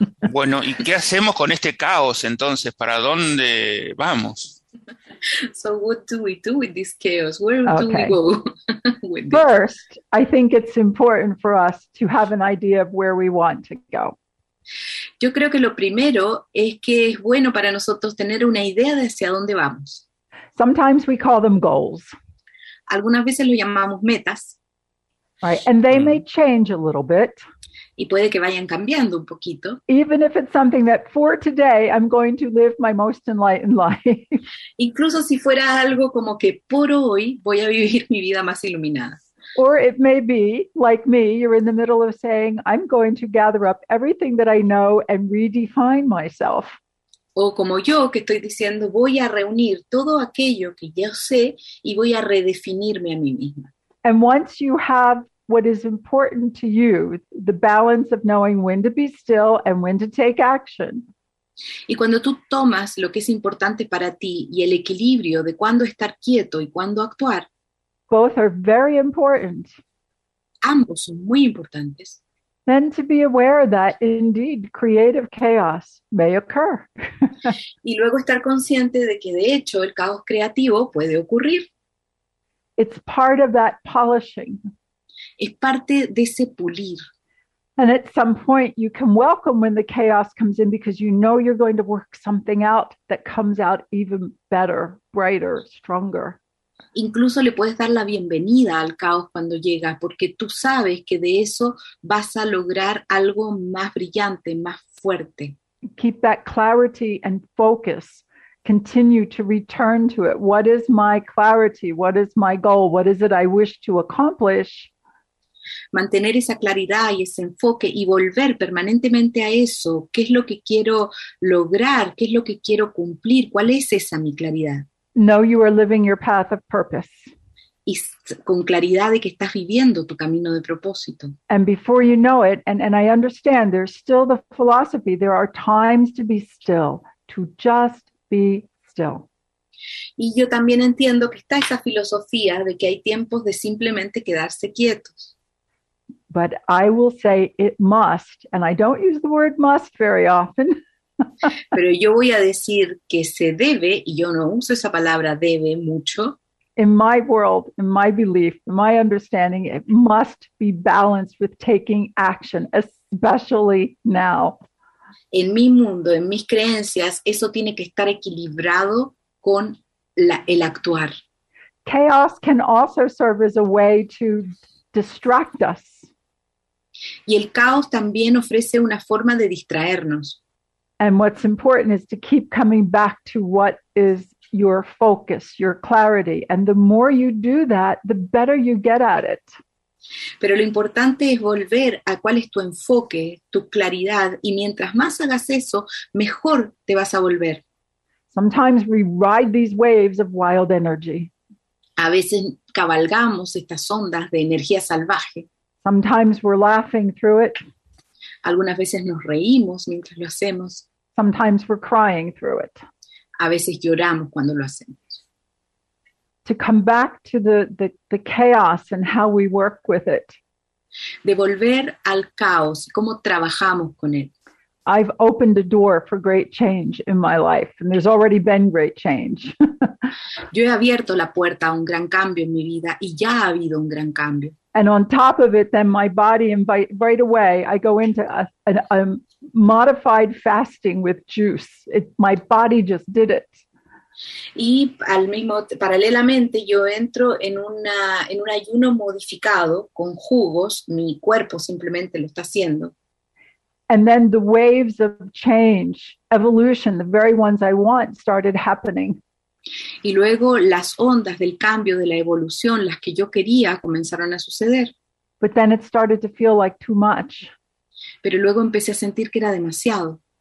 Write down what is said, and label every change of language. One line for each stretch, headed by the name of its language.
Spanish: Bueno, ¿y qué hacemos con este caos entonces? ¿Para dónde vamos?
English: So what do we do with this chaos? Where do we go? First, I think it's important for us to have an idea of where we want to go.
Spanish: Yo creo que lo primero es que es bueno para nosotros tener una idea de hacia dónde vamos.
English: Sometimes we call them goals.
Spanish: Algunas veces lo llamamos metas.
English: Right. And they may change a little bit.
Spanish: Y puede que vayan cambiando un poquito.
English: Even if it's something that for today I'm going to live my most enlightened life.
Spanish: Incluso si fuera algo como que por hoy voy a vivir mi vida más iluminada.
English: Or it may be, like me, you're in the middle of saying, I'm going to gather up everything that I know and redefine myself.
Spanish: O como yo, que estoy diciendo, voy a reunir todo aquello que yo sé y voy a redefinirme a mí misma.
English: And once you have what is important to you, the balance of knowing when to be still and when to take action.
Spanish: Y cuando tú tomas lo que es importante para ti y el equilibrio de cuándo estar quieto y cuándo actuar,
English: both are very important.
Spanish: Ambos son muy importantes.
English: Then to be aware that indeed creative chaos may occur.
Spanish: Y luego estar consciente de que de hecho el caos creativo puede ocurrir.
English: It's part of that polishing.
Spanish: Es parte de ese pulir.
English: And at some point you can welcome when the chaos comes in because you know you're going to work something out that comes out even better, brighter, stronger.
Spanish: Incluso le puedes dar la bienvenida al caos cuando llega, porque tú sabes que de eso vas a lograr algo más brillante, más fuerte.
English: Keep that clarity and focus. Continue to return to it. What is my clarity? What is my goal? What is it I wish to accomplish?
Spanish: Mantener esa claridad y ese enfoque y volver permanentemente a eso. ¿Qué es lo que quiero lograr? ¿Qué es lo que quiero cumplir? ¿Cuál es esa mi claridad?
English: Know you are living your path of purpose.
Spanish: Y con claridad de que estás viviendo tu camino de propósito.
English: And before you know it, and I understand there's still the philosophy, there are times to be still, to just be still.
Spanish: Y yo también entiendo que está esa filosofía de que hay tiempos de simplemente quedarse quietos.
English: But I will say it must, and I don't use the word must very often.
Spanish: Pero yo voy a decir que se debe, y yo no uso esa palabra debe mucho.
English: In my world, in my belief, in my understanding, it must be balanced with taking action, especially now.
Spanish: En mi mundo, en mis creencias, eso tiene que estar equilibrado con el actuar.
English: Chaos can also serve as a way to distract us.
Spanish: Y el caos también ofrece una forma de distraernos.
English: And what's important is to keep coming back to what is your focus, your clarity. And the more you do that, the better you get at it.
Spanish: Pero lo importante es volver a cuál es tu enfoque, tu claridad. Y mientras más hagas eso, mejor te vas a volver.
English: Sometimes we ride these waves of wild energy.
Spanish: A veces cabalgamos estas ondas de energía salvaje.
English: Sometimes we're laughing through it.
Spanish: Algunas veces nos reímos mientras lo hacemos.
English: Sometimes we're crying through it.
Spanish: A veces lloramos cuando lo hacemos.
English: To come back to the chaos and how we work with it.
Spanish: De volver al caos, cómo trabajamos con él.
English: I've opened a door for great change in my life, and there's already been great change.
Spanish: Yo he abierto la puerta a un gran cambio en mi vida y ya ha habido un gran cambio.
English: And on top of it, then my body invite right away, I go into a modified fasting with juice. My body just did it.
Spanish: Y al mismo paralelamente yo entro en un ayuno modificado con jugos, mi cuerpo simplemente lo está haciendo.
English: And then the waves of change, evolution, the very ones I want, started happening.
Spanish: Y luego las ondas del cambio, de la evolución, las que yo quería, comenzaron a suceder.
English: But then it started to feel like too much.
Spanish: Pero luego empecé a sentir que era demasiado.